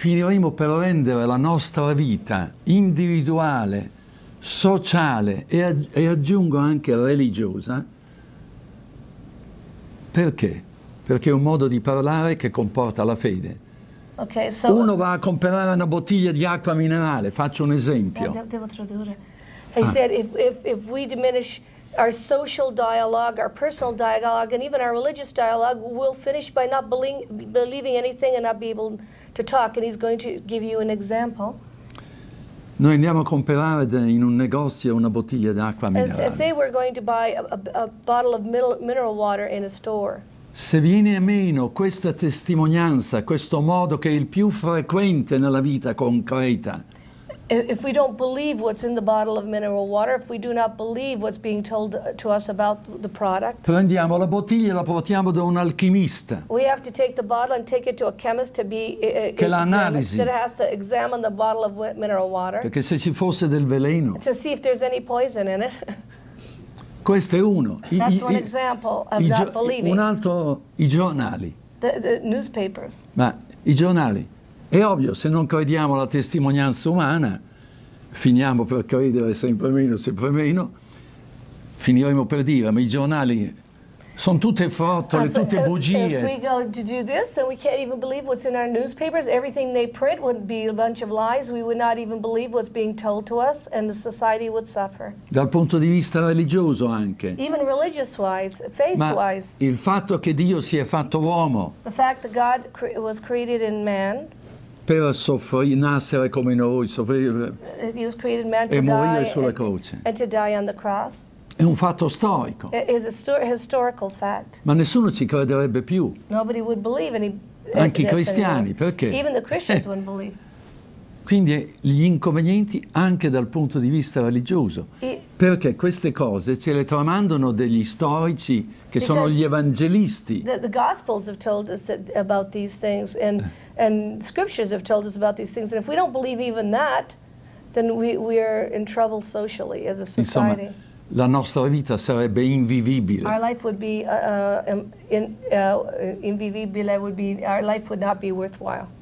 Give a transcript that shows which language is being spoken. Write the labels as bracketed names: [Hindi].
[Italian] finiremo per rendere la nostra vita individuale, sociale e aggiungo anche religiosa. Perché? Perché è un modo di parlare che comporta la fede. [English] Okay, so [Italian] uno va a comprare una bottiglia di acqua minerale, faccio un esempio. Devo tradurre. [English] He said, if we diminish our social dialogue, our personal dialogue, and even our religious dialogue, we'll finish by not believing anything and not be able to talk. And he's going to give you an example. [Italian] Noi andiamo a comprare in un negozio una bottiglia d'acqua minerale. [English] Say we're going to buy a bottle of mineral water in a store. [Italian] Se viene a meno questa testimonianza, questo modo che è il più frequente nella vita concreta, [English] if we don't believe what's in the bottle of mineral water, if we do not believe what's being told to us about the product, [Italian] prendiamo la bottiglia e la portiamo da un alchimista. [English] We have to take the bottle and take it to a chemist to be [Italian] che l'analisi. [English] That has to examine the bottle of mineral water. [Italian] Perché se ci fosse del veleno. [English] To see if there's any poison in it. [Italian] Questo è uno. [English] That's one example of not believing. [Italian] Un altro, i giornali. [English] The newspapers. [Italian] Ma i giornali. È ovvio, se non crediamo alla testimonianza umana, finiamo per credere sempre meno, finiremo per dire, ma i giornali sono tutte frottole, tutte bugie. [English] If we go to do this and we can't even believe what's in our newspapers, everything they print would be a bunch of lies, we would not even believe what's being told to us and the society would suffer. [Italian] Dal punto di vista religioso anche. [English] Even religious wise, faith wise. [Italian] Il fatto che Dio si è fatto uomo. [English] The fact that God was created in man. [Italian] Per soffrire, nascere come noi, soffrire [English] he was created man to [Italian] e morire [English] die [Italian] sulla croce. [English] And to die on the cross. [Italian] È un fatto storico. [English] It is a historical fact. [Italian] Ma nessuno ci crederebbe più. [English] Nobody would believe any, [Italian] anche i cristiani, perché? [English] Even the Christians wouldn't believe. [Italian] Quindi gli inconvenienti anche dal punto di vista religioso. Perché queste cose ce le tramandano degli storici che [English] because [Italian] sono gli evangelisti. [English] The Gospels have told us about these things and scriptures have told us about these things. And if we don't believe even that, then we are in trouble socially as a society. [Italian] Insomma, la nostra vita sarebbe invivibile. [English] Our life would be invivibile, our life would not be worthwhile.